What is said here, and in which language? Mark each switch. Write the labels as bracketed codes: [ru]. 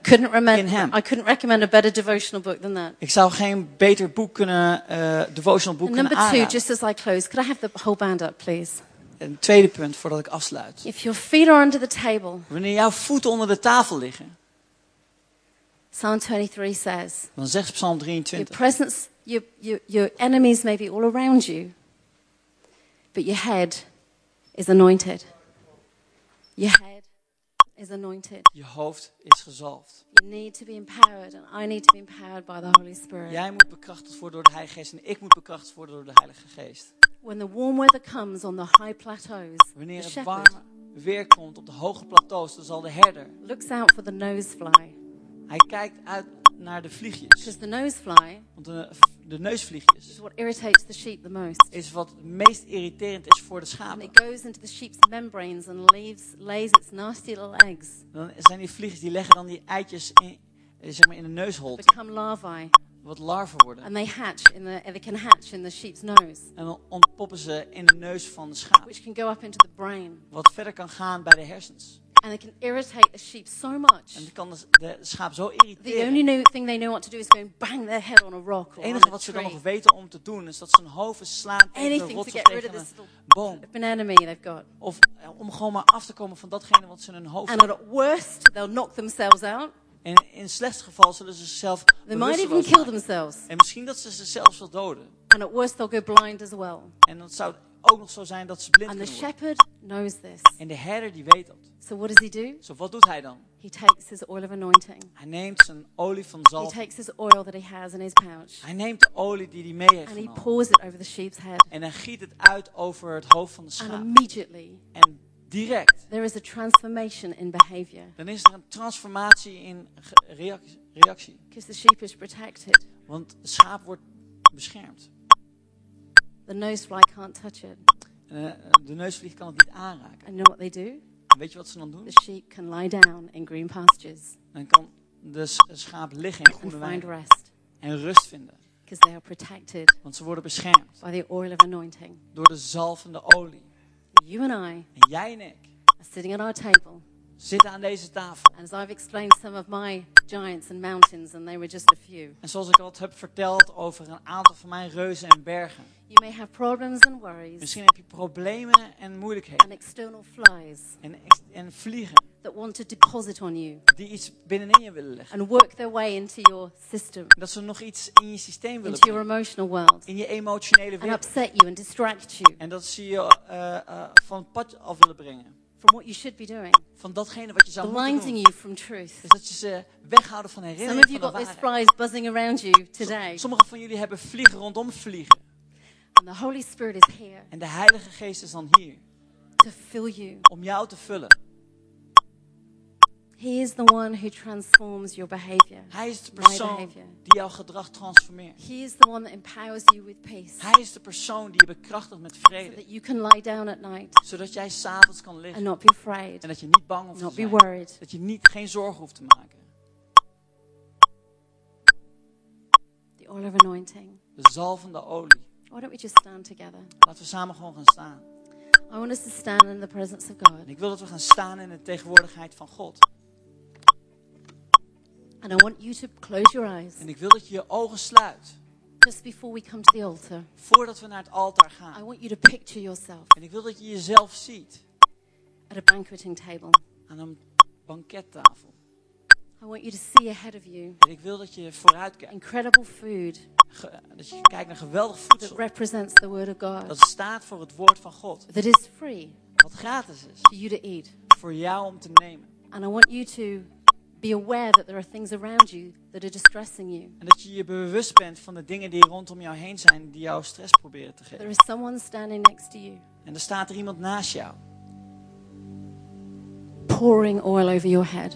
[en] Couldn't remember, [nl] in hem. [en] I couldn't recommend a better devotional book than that. [nl] Ik zou geen beter boek kunnen devotional boek [en] number [nl] kunnen [en] two, [nl] aanraden. [en] Just as I close, could I have the whole band up, please? [nl] Een tweede punt voordat ik afsluit. [en] If your feet are under the table, [nl] wanneer jouw voeten onder de tafel liggen. [en] Psalm 23 says. [nl] Dan zegt Psalm 23. [en] Your presence, your enemies may be all around you. But your head is anointed. Your head is anointed. [nl] Je hoofd is gezalfd. [en] You need to be empowered and I need to be empowered by the Holy Spirit. [nl] Jij moet bekrachtigd worden door de Heilige Geest en ik moet bekrachtigd worden door de Heilige Geest. [en] When the warm weather comes on the high plateaus, [nl] wanneer het [en] shepherd [nl] warm weer komt op de hoge plateaus, dan zal de herder. [en] Looks out for the nosefly. [nl] Hij kijkt uit naar de vliegjes. [en] Because the nosefly. [nl] Want de neusvliegjes. [en] Is what irritates the sheep the most. [nl] Is wat meest irriterend is voor de schapen. [en] And it goes into the sheep's membranes and lays its nasty little eggs. [nl] Dan zijn die vliegjes die leggen dan die eitjes in de neusholte. [en] Become larvae. [nl] Wat larven worden. [en] And they hatch in they can hatch in the sheep's nose. [nl] En dan ontpoppen ze in de neus van de schaap. [en] Which can go up into the brain. [nl] Wat verder kan gaan bij de hersens. [en] And it can irritate the sheep so much. [nl] En het kan de schaap zo irriteren. [en] The only new thing they know what to do is go and bang their head on a rock or [nl] Het enige wat ze dan nog weten om te doen is dat ze hun hoofd slaan tegen [en] Anything [nl] een rots [en] to get [nl] of tegen [en] rid of [nl] een [en] this [nl] boom. [en] Of an enemy they've got. [nl] Of om gewoon maar af te komen van datgene wat ze in hun hoofd hebben. [en] And at worst they'll knock themselves out. [nl] En in het slechtste geval zullen ze zichzelf [en] They might even kill themselves. [nl] En misschien dat ze zichzelf zal doden. [en] And at worst they'll go blind as well. [nl] En dat zou ook nog zo zijn dat ze blind [en] And the [nl] worden. [en] Shepherd knows this. [nl] En de herder die weet dat. [en] So what does he do? [nl] So wat doet hij dan? [en] He takes his oil of anointing. [nl] Hij neemt zijn olie van zalf. [en] He takes his oil that he has in his pouch. [nl] Hij neemt de olie die hij mee heeft [en] And he pours it over the sheep's head. [nl] En hij giet het uit over het hoofd van de schaap. [en] And immediately. [nl] En direct. [en] There is a transformation in behavior. [nl] Dan is er een transformatie in reactie. [en] Because the sheep is protected. [nl] Want de schaap wordt beschermd. [en] The nose fly can't touch it. [nl] De neusvlieg kan het niet aanraken. [en] And know what they do? [nl] Weet je wat ze dan doen? [en] The sheep can lie down in green pastures. [nl] Dan kan de schaap liggen in groene weiden. [en] Find rest. [nl] En rust vinden. [en] Because they are protected. [nl] Want ze worden beschermd. [en] By the oil of anointing. [nl] Door de zalvende olie. [en] You and I, [nl] en jij en ik, [en] are sitting at our table. [nl] Zitten aan deze tafel. [en] And as I've explained some of my giants and mountains, and they were just a few. [nl] En zoals ik al heb verteld over een aantal van mijn reuzen en bergen. [en] You may have problems and worries. [nl] Misschien heb je problemen en moeilijkheden. [en] And external flies. [nl] En vliegen. [en] That want to deposit on you. [nl] Die iets binnenin je willen leggen. [en] And work their way into your system. [nl] Dat ze nog iets in je systeem willen. [en] Into your emotional world. [nl] In je emotionele wereld. [en] And upset you and distract you. [nl] En dat ze je van het pad af willen brengen. [en] From what you should be doing. [nl] Van datgene wat je zou moeten doen. [en] Blinding you from truth. [nl] Dus dat je ze weghouden van herinnering [en] Some of you [nl] van [en] got these flies buzzing around you today. [nl] Sommige van jullie hebben vliegen rondom vliegen. [en] And the Holy Spirit is here. [nl] En de Heilige Geest is dan hier. [en] To fill you. [nl] Om jou te vullen. [en] He is the one who transforms your behavior. [nl] Hij is de persoon die jouw gedrag transformeert. [en] He is the one that empowers you with peace. [nl] Hij is de persoon die je bekrachtigt met vrede. [en] So that you can lie down at night. [nl] Zodat jij 's avonds kan liggen. [en] And not be afraid. [nl] En dat je niet bang hoeft [en] not [nl] te zijn. [en] Be worried. [nl] Dat je niet geen zorgen hoeft te maken. [en] The oil of anointing. [nl] De zalvende olie. [en] Why don't we just stand together? [nl] Laten we samen gewoon gaan staan. [en] I want us to stand in the presence of God. [nl] En ik wil dat we gaan staan in de tegenwoordigheid van God. [en] And I want you to close your eyes. [nl] En ik wil dat je je ogen sluit. [en] Just before we come to the altar. [nl] Voordat we naar het altaar gaan. [en] I want you to picture yourself. [nl] En ik wil dat je jezelf ziet. [en] At a banqueting table. [nl] Aan een bankettafel. [en] I want you to see ahead of you. [nl] En ik wil dat je vooruit kijkt. [en] Incredible food. [nl] Dat je kijkt naar geweldig voedsel. [en] That represents the word of God. [nl] Dat staat voor het woord van God. [en] That is free. [nl] Wat gratis is. [en] For you to eat. [nl] Voor jou om te nemen. [en] And I want you to be aware that there are things around you that are distressing you. [nl] En dat je je bewust bent van de dingen die rondom jou heen zijn die jou stress proberen te geven. [en] There is someone standing next to you. [nl] En er staat er iemand naast jou. [en] Pouring oil over your head.